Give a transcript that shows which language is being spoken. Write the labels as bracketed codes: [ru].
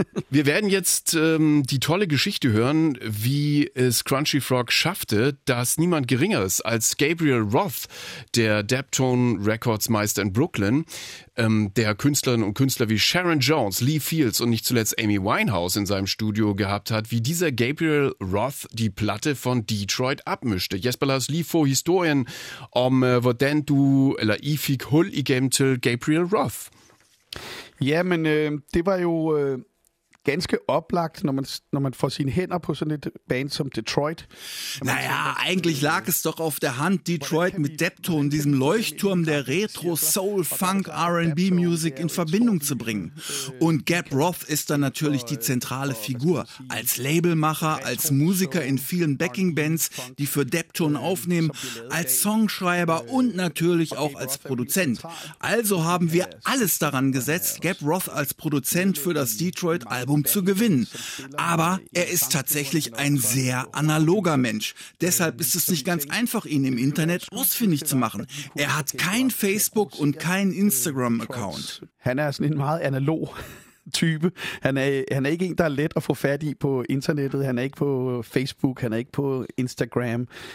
[de] Wir werden jetzt die tolle Geschichte hören, wie es Crunchy Frog schaffte, dass niemand Geringeres als Gabriel Roth, der Deptone Records Meister in Brooklyn, der Künstlerinnen und Künstler wie Sharon Jones, Lee Fields und nicht zuletzt Amy Winehouse in seinem Studio gehabt hat, wie dieser Gabriel Roth die Platte von Detroit abmischte. [da] Jesper, lass lige få historien om, hvordan du eller I fik hul igennem til Gabriel Roth. Ja, men det var jo ganske oplagt, når man får sine hænder på sådan et band som Detroit. [de] Naja, eigentlich lag es doch auf der Hand, Detroit mit Deptone, diesem Leuchtturm der Retro, Soul, Funk, R&B Music in Verbindung zu bringen. Und Gab Roth ist dann natürlich die zentrale Figur. Als Labelmacher, als Musiker in vielen Backing-Bands, die für Deptone aufnehmen, als Songschreiber und natürlich auch als Produzent. Also haben wir alles daran gesetzt, Gab Roth als Produzent für das Detroit Album zu gewinnen. Aber er ist tatsächlich ein sehr analoger Mensch. Deshalb ist es nicht ganz einfach, ihn im Internet ausfindig zu machen. Er hat kein Facebook und keinen Instagram-Account. Er ist ein sehr analoger Typ. [da] Han er ikke en, der er let at få fat i på internettet. Han er ikke på Facebook, han er ikke på Instagram.